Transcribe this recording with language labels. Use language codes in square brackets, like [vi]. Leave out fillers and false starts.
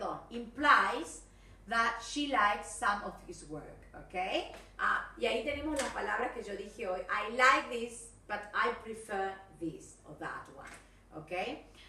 [en] implies that she likes some of his work, okay? [es] Y ahí tenemos las palabras que yo dije hoy. [en] I like this, but I prefer this or that one, okay?